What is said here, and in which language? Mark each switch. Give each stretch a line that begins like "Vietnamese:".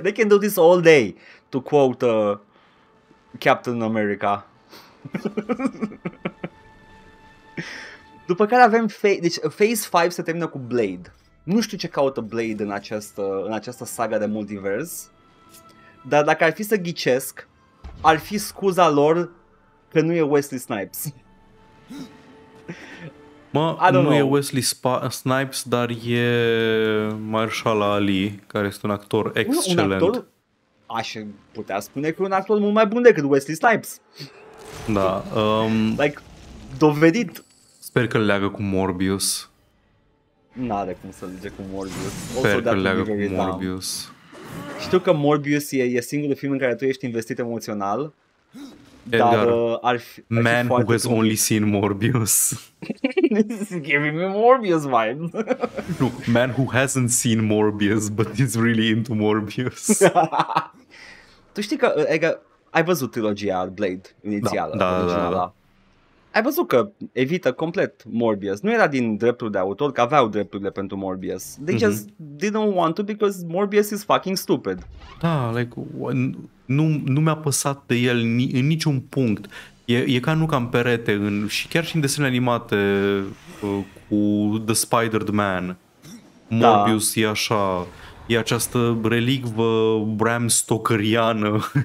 English: They can do this all day, to quote Captain America.
Romanian: După care avem Phase 5 se termină cu Blade. Nu știu ce caută Blade în această saga de multivers, dar dacă ar fi să ghicesc, ar fi scuza lor că nu e Wesley Snipes. E Wesley Snipes, dar e Marshall Ali, care este un actor excelent. Un actor, aș putea spune că e un actor mult mai bun decât Wesley Snipes. Da. Like, dovedit. Sper că leagă cu Morbius. N-are cum să lege cu Morbius. Sper că leagă cu Morbius. Știu că Morbius e singurul film în care tu ești investit emoțional. Edgar,
English: man who has only seen Morbius. This is giving me Morbius vibe. No, man who hasn't seen Morbius, but is really into Morbius.
Romanian: Tu știi că, Edgar, ai văzut trilogia Blade inițială? Da. Ai văzut că evită complet Morbius. Nu era din dreptul de autor, că aveau drepturile pentru Morbius.
English: They just didn't want to because Morbius is fucking stupid.
Romanian: Da, like, nu mi-a păsat de el în niciun punct. E ca nu ca în perete, și chiar și în desene animate cu The Spider-Man. Morbius e așa, e această relicvă Bram Stokeriană.